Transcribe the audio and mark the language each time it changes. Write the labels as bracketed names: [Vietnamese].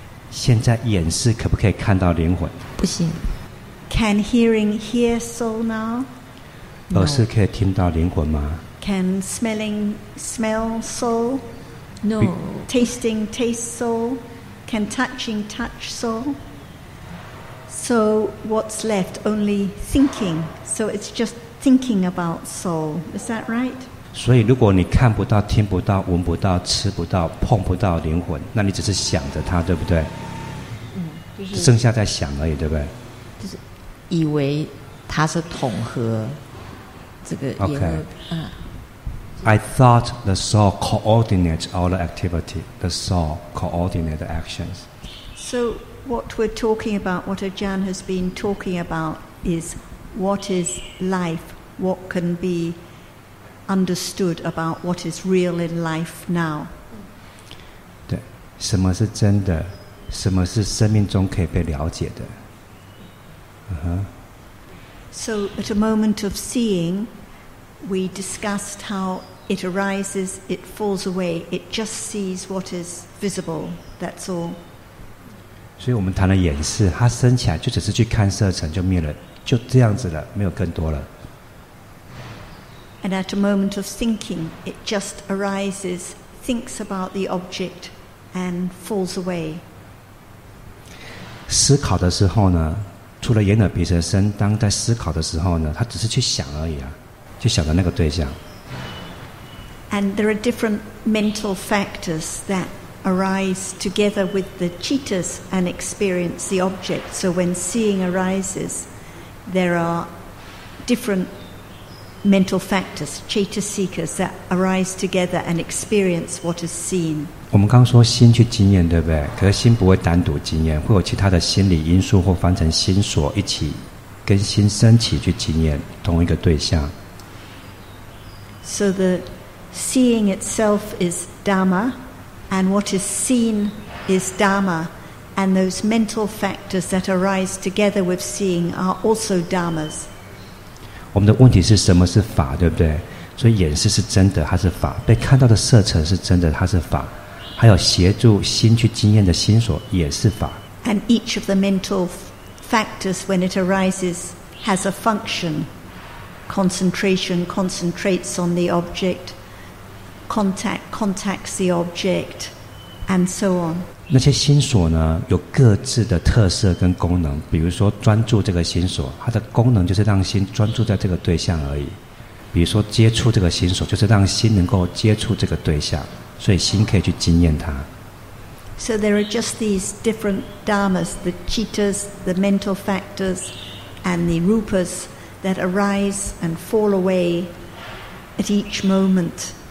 [Chinese] 现在眼视可不可以看到灵魂？不行。 [English] Can hearing hear soul now? [Chinese] 耳视可以听到灵魂吗？ [English] Can smelling smell soul? No. Tasting taste soul? Can touching touch soul? So what's left? Only thinking. So it's just thinking about soul. Is that right? [Chinese] 所以如果你看不到、听不到、闻不到、吃不到、碰不到灵魂，那你只是想着它，对不对？嗯，就是剩下在想而已，对不对？就是以为它是统合这个眼耳鼻。 [English] Okay. I thought the soul coordinates all the activity. The soul coordinates the actions. So. What we're talking about, what Ajahn has been talking about, is what is life, what can be understood about what is real in life now. [Chinese] 对，什么是真的？什么是生命中可以被了解的？ [English] So at a moment of seeing, we discussed how it arises, it falls away, it just sees what is visible, that's all. [Chinese] 所以我们谈了眼视，它升起来就只是去看色尘就灭了，就这样子了，没有更多了。 [English] And at a moment of thinking, it just arises, thinks about the object, and falls away. [Chinese] 思考的时候呢，除了眼耳鼻舌身，当在思考的时候呢，它只是去想而已啊，就想着那个对象。 [English] And there are different mental factors that. Arise together with the cittas and experience the object. So when seeing arises, there are different mental factors, cittasikas that arise together and experience what is seen. [Chinese] 我们刚刚说心去经验，对不对？可是心不会单独经验，会有其他的心理因素或翻成心所一起跟心升起去经验同一个对象。 [English] So the seeing itself is dhamma. And what is seen is Dharma, and those mental factors that arise together with seeing are also Dharmas. [Chinese] 我们的问题是什么是法，对不对？所以眼视是真的，它是法；被看到的色尘是真的，它是法；还有协助心去经验的心所也是法。 [English] And each of the mental factors, when it arises, has a function. Concentration concentrates on the object. Contacts the object, and so on. [Chinese] 那些心所呢，有各自的特色跟功能。比如说，专注这个心所，它的功能就是让心专注在这个对象而已。比如说，接触这个心所，就是让心能够接触这个对象，所以心可以去经验它。 [English] So there are just these different dharmas, the cittas, the mental factors, and the rupas that arise and fall away at each moment.